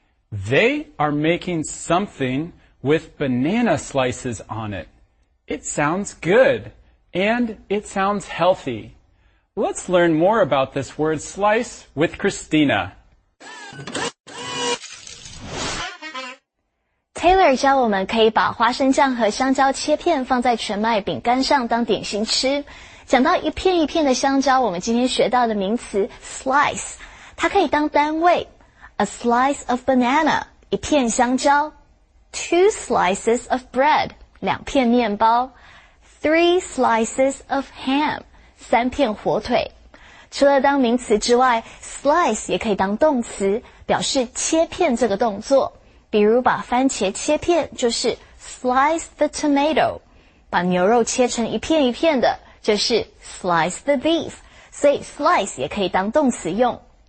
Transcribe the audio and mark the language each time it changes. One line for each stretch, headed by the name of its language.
English: They are making something with banana slices on it. It sounds good, and it sounds healthy. Let's learn more about this word slice with Christina.
Chinese: Taylor 教我们可以把花生酱和香蕉切片放在全麦饼干上当点心吃。讲到一片一片的香蕉，我们今天学到的名词 slice， 它可以当单位。
English: A slice of banana,
Chinese: 一片香蕉。
English: Two slices of bread,
Chinese: 两片面包。
English: Three slices of ham,
Chinese: 三片火腿。除了当名词之外 ,slice 也可以当动词，表示切片这个动作。比如把番茄切片就是
English: slice the tomato。
Chinese: 把牛肉切成一片一片的这是
English: slice the beef,
Chinese: 所以 slice 也可以当动词用。